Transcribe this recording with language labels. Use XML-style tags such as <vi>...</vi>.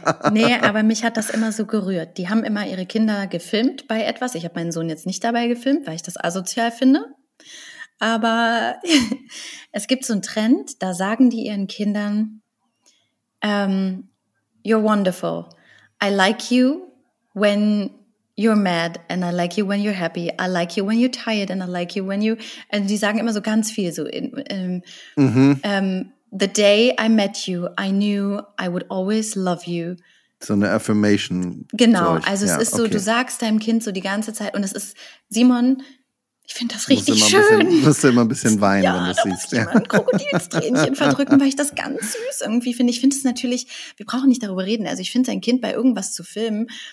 <de>Nee, aber mich hat das immer so gerührt. Die haben immer ihre Kinder gefilmt bei etwas. Ich habe meinen Sohn jetzt nicht dabei gefilmt, weil ich das asozial finde. Aber es gibt so einen Trend, da sagen die ihren Kindern,</de> <en>you're wonderful. I like you when you're mad and I like you when you're happy. I like you when you're tired and I like you when you...</en> <de>Und die sagen immer so ganz viel so.</de> <en>The day I met you, I knew I would always love you.</en> <de>So eine Affirmation. Genau, Zeug. Also ja, es ist okay. So, du sagst deinem Kind so die ganze Zeit und es ist, Simon, ich finde das richtig schön. Musst du immer ein bisschen weinen, wenn du es siehst. Ja, da muss ich immer ein Krokodilstränchen verdrücken, weil ich das ganz süß irgendwie finde. Ich finde es natürlich, wir brauchen nicht darüber reden. Also ich finde, sein Kind bei irgendwas zu filmen,</de>